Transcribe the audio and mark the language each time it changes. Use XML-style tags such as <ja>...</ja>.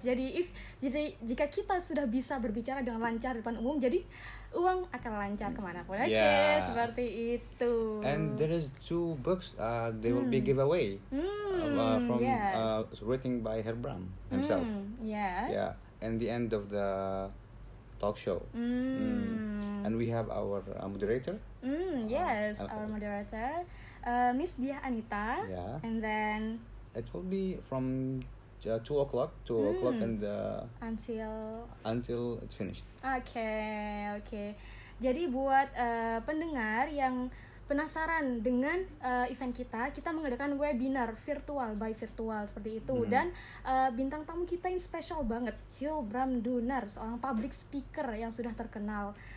<id>Jadi jika kita sudah bisa berbicara dengan lancar di depan umum, jadi uang akan lancar kemana pun aja. Yeah. Seperti itu.</id> <en>And there is two books they will be giveaway from written by Hilbram himself. Yes. Yeah. And the end of the talk show. And we have our moderator. Our moderator, Miss Diah Anita. Yeah. And then it will be from 2 o'clock to o'clock and until it's finished. Okay.</en> <id>Jadi buat pendengar yang penasaran dengan event kita mengadakan webinar virtual seperti itu. Dan bintang tamu kita yang spesial banget, Hilbram Dunar, seorang public speaker yang sudah terkenal.</id>